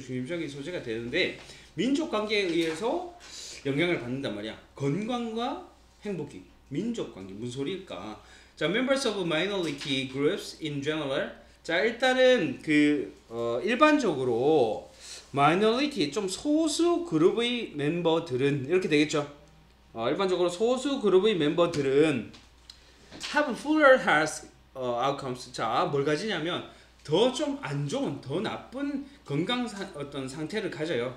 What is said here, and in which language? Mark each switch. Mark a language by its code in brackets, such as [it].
[ko] 중심적인 소재가 되는데 민족 관계에 의해서 영향을 받는단 말이야. 건강과 행복이. 민족 관계. 무슨 소리일까? [en] 자, members of minority groups in general. [ko] 자, 일단은 그 일반적으로 minority 좀 소수 그룹의 멤버들은 이렇게 되겠죠. 일반적으로 소수 그룹의 멤버들은 [en] have fuller health outcomes. [ko] 자, 뭘 가지냐면 더 좀 안 좋은, 더 나쁜 건강 어떤 상태를 가져요.